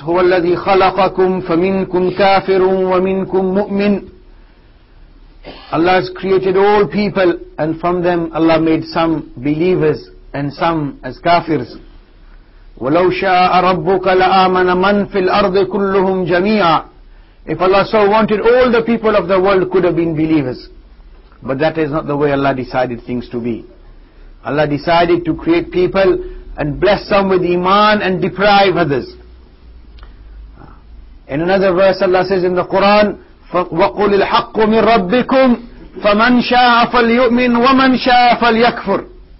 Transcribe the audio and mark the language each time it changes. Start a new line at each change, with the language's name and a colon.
Arabic: هو الذي خلقكم فمنكم كافر ومنكم مؤمن.
English: Allah has created all people, and from them Allah made some believers and some as kafirs.
Arabic: ولو شاء ربك لآمن من في الأرض كلهم جميعا.
English: If Allah so wanted, all the people of the world could have been believers. But that is not the way Allah decided things to be. Allah decided to create people and bless some with Iman and deprive others. In another verse Allah says in the Quran,
Arabic: وَقُلِ الْحَقُّ مِنْ رَبِّكُمْ فَمَنْ شَاءَ فَلْيُؤْمِنْ وَمَنْ شَاءَ فَلْيَكْفُرْ.